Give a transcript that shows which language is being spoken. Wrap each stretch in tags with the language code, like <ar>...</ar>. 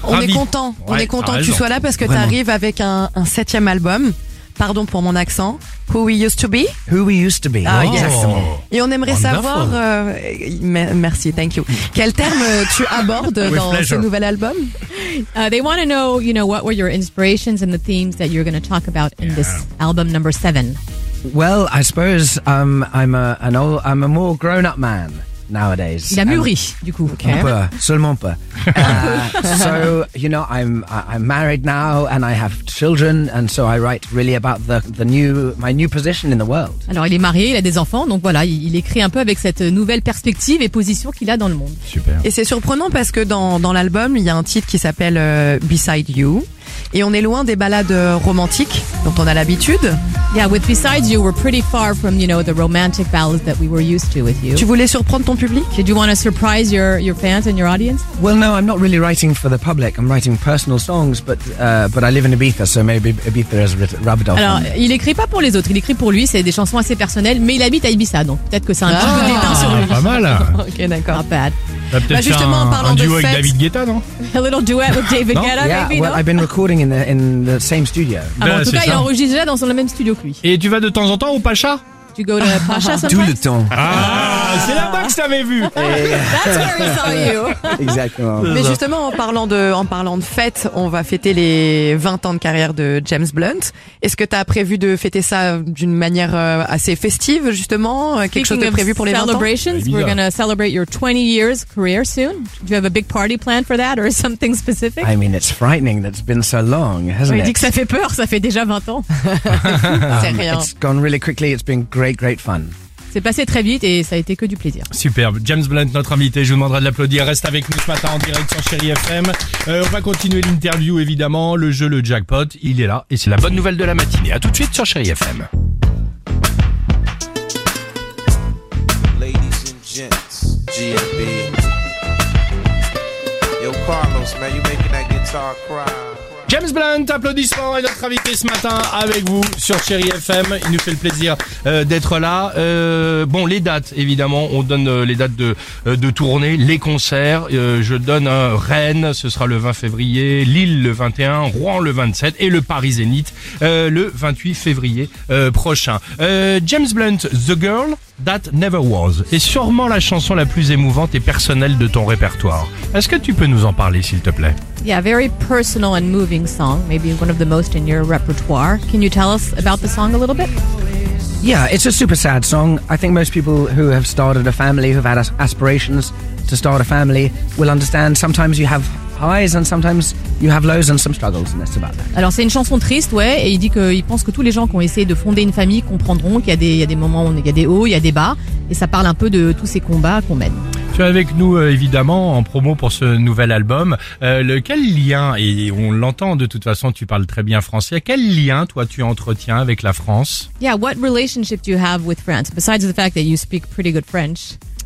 <fr>On est content. Ouais, on est content que tu sois là parce que tu arrives avec un 7e album. Pardon pour mon accent.</fr> <en>Who we used to be? Who we used to be.</en> <fr>Ah, oh, yes. Et on aimerait savoir. Merci,</fr> <en>thank you.</en> <fr>Quel terme tu abordes dans ce nouvel album?</fr> <en>They want to know, you know, what were your inspirations and the themes that you're going to talk about in this album number 7? Well, I suppose I'm a more grown-up man nowadays.</en> <fr>Il a mûri, du coup. Okay. Un peu, seulement peu.</fr> <en>So, you know, I'm married now and I have children, and so I write really about my new position in the world.</en> <fr>Alors, il est marié, il a des enfants, donc voilà, il écrit un peu avec cette nouvelle perspective et position qu'il a dans le monde. Super. Et c'est surprenant parce que dans l'album, il y a un titre qui s'appelle Beside You, et on est loin des ballades romantiques dont on a l'habitude.</fr> <en>Yeah, with Beside You, we're pretty far from, you know, the romantic ballads that we were used to with you.</en> <fr>Tu voulais surprendre ton public?</fr> <en>Did you want to surprise your fans and your audience? Well, no, I'm not really writing for the public. I'm writing personal songs, but I live in Ibiza, so maybe Ibiza has rubbed off.</en> <fr>Alors, il écrit pas pour les autres, il écrit pour lui, c'est des chansons assez personnelles, mais il habite à Ibiza, donc peut-être que c'est un petit peu déteint sur lui. Pas mal. Ok, d'accord.</fr> <en>Not bad.</en> <fr>T'as peut-être bah justement, fait un duo de avec David Guetta, non?</fr> <en>A little duet with David Guetta, yeah, maybe, well,</en> <fr>non?</fr> <en>I've been recording in the same studio.</en> <fr>Ah, en tout cas, il enregistre déjà dans le même studio que lui. Et tu vas de temps en temps au Pacha?</fr> <en>Tu go to Pacha sometimes?</en> <fr>Tout le temps. Ah, c'est là-bas que je t'avais vu.</fr> <en>That's where we saw you.</en> <fr>Exactement. Mais justement, en parlant de fêtes, on va fêter les 20 ans de carrière de James Blunt. Est-ce que t'as prévu de fêter ça d'une manière assez festive, justement? Quelque chose de prévu pour les 20 ans?</fr> <en>Celebrations, we're going to celebrate your 20 years career soon. Do you have a big party planned for that or something specific? I mean, it's frightening that it's been so long, hasn't it?</en> <fr>Il dit que ça fait peur, ça fait déjà 20 ans. C'est rien.</fr> <en>It's gone really quickly, it's been great, great fun.</en> <fr>C'est passé très vite et ça a été que du plaisir. Superbe. James Blunt, notre invité, je vous demanderai de l'applaudir. Reste avec nous ce matin en direct sur Chéri FM. On va continuer l'interview, évidemment. Le jeu, le jackpot, il est là. Et c'est la bonne nouvelle de la matinée. À tout de suite sur Chéri FM.</fr> <en>Ladies and gents, GFB. Yo, Carlos, man, you making that guitar cry.</en> <fr>James Blunt, applaudissements, est notre invité ce matin avec vous sur Chéri FM. Il nous fait le plaisir d'être là. Bon, les dates, évidemment, on donne les dates de tournée, les concerts. Je donne Rennes, ce sera le 20 février, Lille le 21, Rouen le 27 et le Paris Zénith le 28 février prochain. James Blunt, The Girl That Never Was est sûrement la chanson la plus émouvante et personnelle de ton répertoire. Est-ce que tu peux nous en parler, s'il te plaît?</fr> <en>Yeah, very personal and moving song, maybe one of the most in your repertoire. Can you tell us about the song a little bit? Yeah, it's a super sad song. I think most people who have started a family, who have had aspirations to start a family, will understand sometimes you have highs and sometimes you have lows and some struggles, and that's about that.</en> <fr>Alors c'est une chanson triste, ouais, et il dit qu'il pense que tous les gens qui ont essayé de fonder une famille comprendront qu'il y a des moments où il y a des hauts, il y a des bas, et ça parle un peu de tous ces combats qu'on mène. Tu es avec nous, évidemment, en promo pour ce nouvel album. Quel lien, et on l'entend de toute façon, tu parles très bien français, quel lien, toi, tu entretiens avec la France?</fr> <en>Yeah, what relationship do you have with France, besides the fact that you speak pretty good French?</en>